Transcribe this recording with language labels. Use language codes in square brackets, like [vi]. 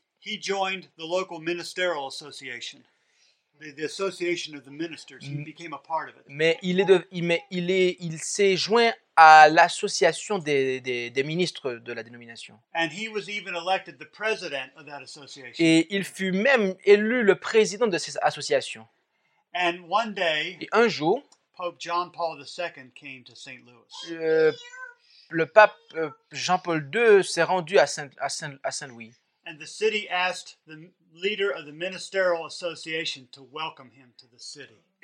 [en] He joined the local ministerial association. The association of the ministers. He became a part of it. [fr] Mais il s'est joint à l'association des ministres de la dénomination. [en] And he was even elected the president of that association. [fr] Et il fut même élu le président de cette association. [en] And one day, [fr] et un jour, [en] Pope John Paul II came to St. Louis. [fr] Le pape Jean-Paul II s'est rendu à Saint-Louis. [en] And the city asked the leader of the ministerial association to welcome him to the city.